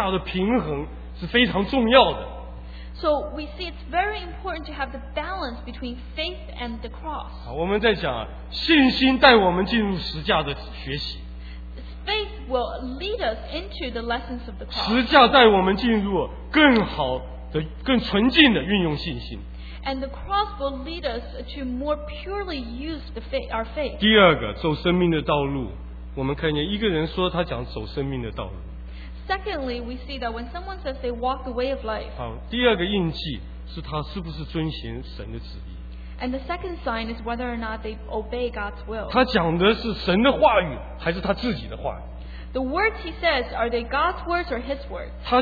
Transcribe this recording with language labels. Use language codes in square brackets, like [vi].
[zh] 所以我们看见信心和十字架的平衡是非常重要的。 [en] So we see it's very important to have the balance between faith and the cross. [zh] 我们在想，信心带我们进入十字架的学习。 [en] Faith will lead us into the lessons of the cross. [zh] 十字架带我们进入更好的、更纯净的运用信心。 [en] And the cross will lead us to more purely use the faith, our faith. [zh] 第二个，走生命的道路，我们看见一个人说他讲走生命的道路。 [en] Secondly, we see that when someone says they walk the way of life, [zh] 好，第二个印记是他是不是遵循神的旨意。 [en] And the second sign is whether or not they obey God's will. [zh] 他讲的是神的话语还是他自己的话语？ [en] The words he says, are they God's words or his words?